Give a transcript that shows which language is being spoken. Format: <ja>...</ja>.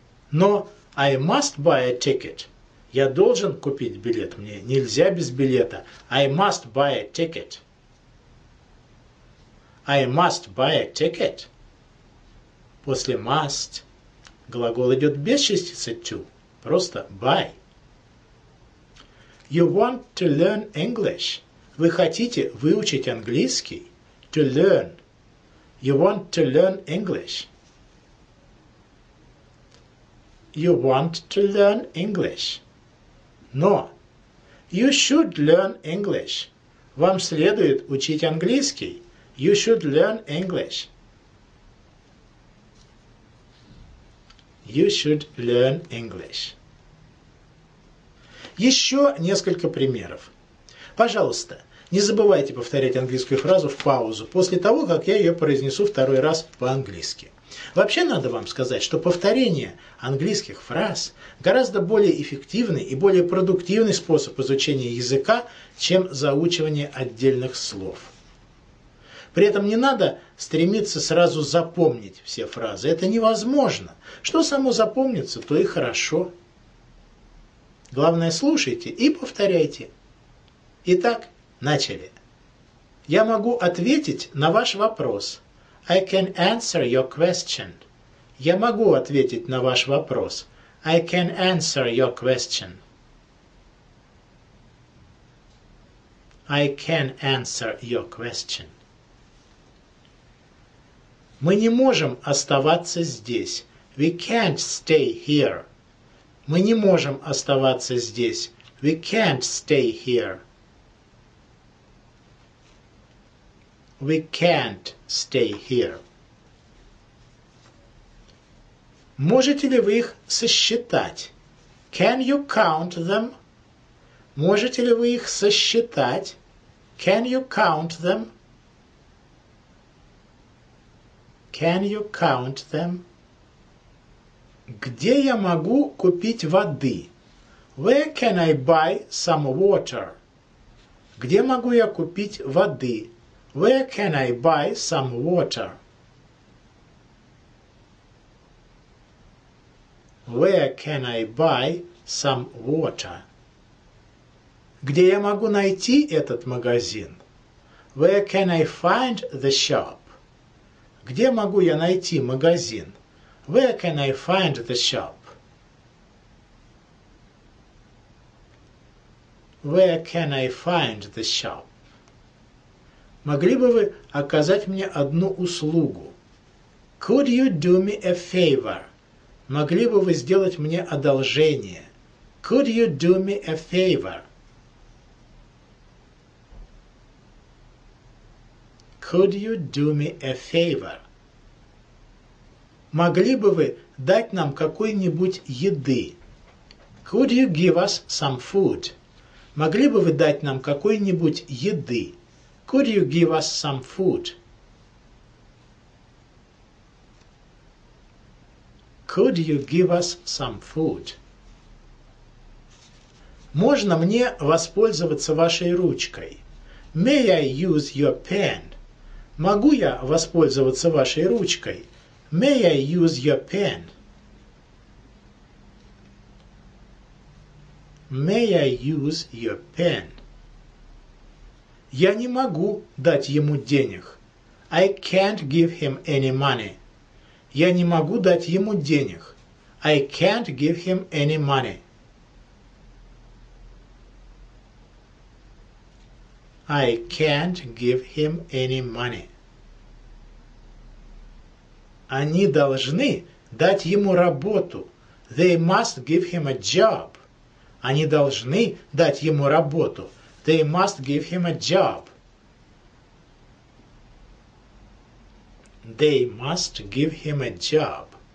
<en>Но I must buy a ticket.</en> <ru>Я должен купить билет. Мне нельзя без билета.</ru> <en>I must buy a ticket. I must buy a ticket.</en> <ru>После must глагол идет без частицы to, просто by.</ru> <en>You want to learn English.</en> <ru>Вы хотите выучить английский?</ru> <en>To learn. You want to learn English. You want to learn English.</en> <ru>Но.</ru> <en>You should learn English.</en> <ru>Вам следует учить английский.</ru> <en>You should learn English. You should learn English.</en> <ru>Еще несколько примеров. Пожалуйста, не забывайте повторять английскую фразу в паузу после того, как я ее произнесу второй раз по-английски. Вообще, надо вам сказать, что повторение английских фраз гораздо более эффективный и более продуктивный способ изучения языка, чем заучивание отдельных слов. При этом не надо стремиться сразу запомнить все фразы. Это невозможно. Что само запомнится, то и хорошо. Главное, слушайте и повторяйте. Итак, начали. Я могу ответить на ваш вопрос.</ru> <en>I can answer your question.</en> <ru>Я могу ответить на ваш вопрос.</ru> <en>I can answer your question. I can answer your question.</en> <ru>Мы не можем оставаться здесь.</ru> <en>We can't stay here.</en> <ru>Мы не можем оставаться здесь.</ru> <en>We can't stay here. We can't stay here.</en> <ru>Можете ли вы их сосчитать?</ru> <en>Can you count them?</en> <ru>Можете ли вы их сосчитать?</ru> <en>Can you count them? Can you count them?</en> <ru>Где я могу купить воды?</ru> <en>Where can I buy some water?</en> <ru>Где могу я купить воды?</ru> <en>Where can I buy some water? Where can I buy some water?</en> <ru>Где я могу найти этот магазин?</ru> <en>Where can I find the shop?</en> <ru>Где могу я найти магазин?</ru> <en>Where can I find the shop? Where can I find the shop?</en> <ru>Могли бы вы оказать мне одну услугу?</ru> <en>Could you do me a favor?</en> <ru>Могли бы вы сделать мне одолжение?</ru> <en>Could you do me a favor? Could you do me a favor?</en> <ru>Могли бы вы дать нам какой-нибудь еды?</ru> <en>Could you give us some food?</en> <ru>Могли бы вы дать нам какой-нибудь еды?</ru> <en>Could you give us some food? Could you give us some food?</en> <ru>Можно мне воспользоваться вашей ручкой?</ru> <en>May I use your pen?</en> <ru>Могу я воспользоваться вашей ручкой?</ru> <en>May I use your pen? May I use your pen?</en> <ru>Я не могу дать ему денег.</ru> <en>I can't give him any money.</en> <ru>Я не могу дать ему денег.</ru> <en>I can't give him any money. I can't give him any money.</en> <ru>Они должны дать ему работу.</ru> <en>They must give him a job.</en> <ru>Они должны дать ему работу.</ru> <en>They must give him a job. They must give him a job.</en>